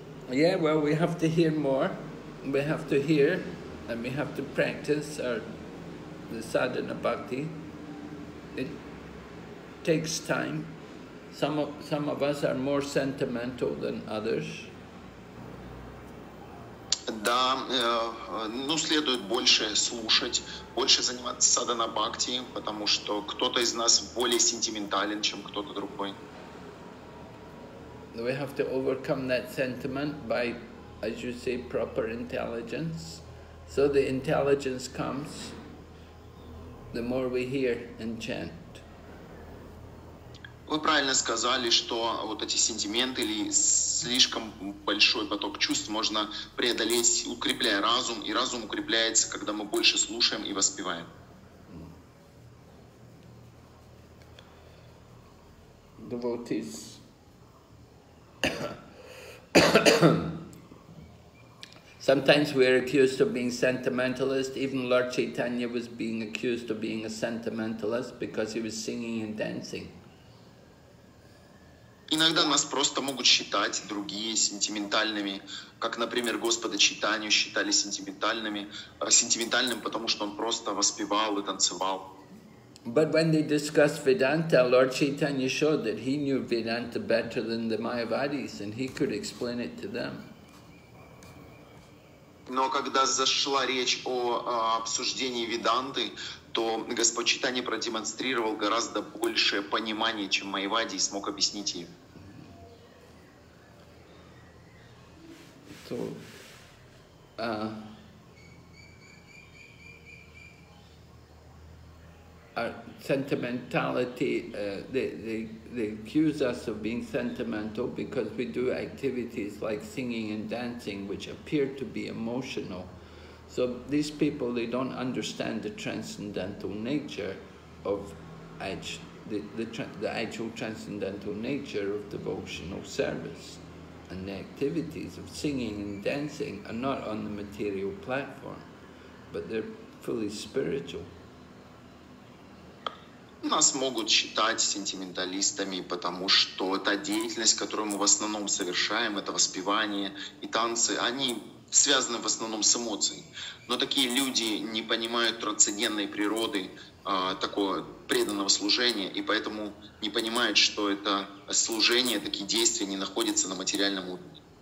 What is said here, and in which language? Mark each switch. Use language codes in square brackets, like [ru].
[en] Yeah, well, we have to hear more. We have to hear and we have to practice the sadhana bhakti. It takes time. Some of us are more sentimental than others. [ru] Да, ну следует больше слушать, больше заниматься садхана бхакти, потому что кто-то из нас более сентиментален, чем кто-то другой. [en] We have to overcome that sentiment by, as you say, proper intelligence. So the intelligence comes the more we hear and chant. [ru] Вы правильно сказали, что вот эти сентименты или слишком большой поток чувств можно преодолеть, укрепляя разум, и разум укрепляется, когда мы больше слушаем и воспеваем. [en] Devotees sometimes we are accused of being sentimentalist. Even Lord Chaitanya was being accused of being a sentimentalist because he was singing and dancing. [ru] Иногда нас просто могут считать другие сентиментальными, как, например, Господа Чайтанью считали сентиментальным, потому что он просто воспевал и танцевал. [en] But when they discussed Vedanta, Lord Chaitanya showed that he knew Vedanta better than the Mayavadis, and he could explain it to them. [ru] Но когда зашла речь о обсуждении Веданты, то Господь Чайтанья продемонстрировал гораздо большее понимание, чем Майвади, и смог объяснить ей. [en] Our sentimentality, they accuse us of being sentimental because we do activities like singing and dancing, which appear to be emotional. So these people, they don't understand the transcendental nature of the actual transcendental nature of devotional service. And the activities of singing and dancing are not on the material platform, but they're fully spiritual. [ru] Нас могут считать сентименталистами, потому что та деятельность, которую мы в основном совершаем, это воспевание и танцы, они связаны в основном с эмоцией. Но такие люди не понимают трансцендентной природы такого преданного служения, и поэтому не понимают, что это служение, такие действия не находятся на материальном уровне.